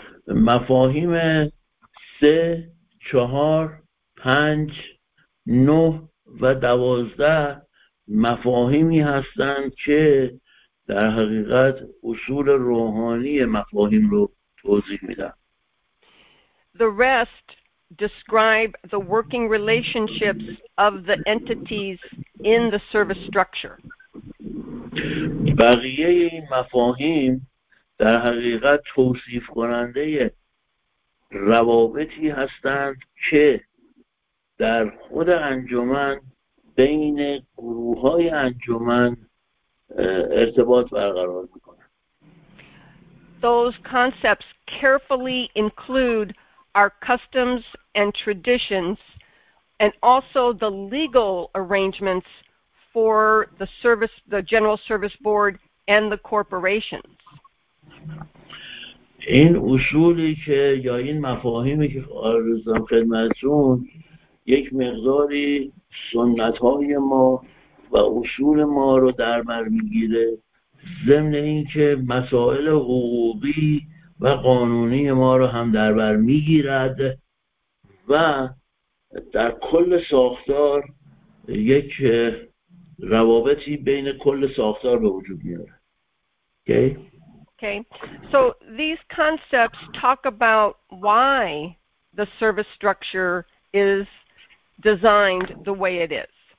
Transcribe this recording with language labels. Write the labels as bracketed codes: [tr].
[fa] مفاهیم 3, 4, 5, 9 و 12 مفاهیمی هستند که در حقیقت اصول روحانی مفاهیم رو توضیح میدن. [en] The rest describe the working relationships of the entities in the service structure. [fa] بقیه این مفاهیم در حقیقت توصیف کننده روابطی هستند که در خود انجمن بین گروه های انجمن ارتباط برقرار میکنند. [en] Those concepts carefully include our customs and traditions and also the legal arrangements for the service, the General Service Board and the corporations. [fa] این اصولی که یا این مفاهیمی که آرزم خدمتون یک مقداری سنت‌های ما و اصول ما رو در بر می‌گیره، ضمن اینکه مسائل حقوقی و قانونی ما رو هم در بر می‌گیرد و در کل ساختار یک روابطی بین کل ساختار به وجود میاره. [en] Okay. So these concepts talk about why the service structure is designed the way it is.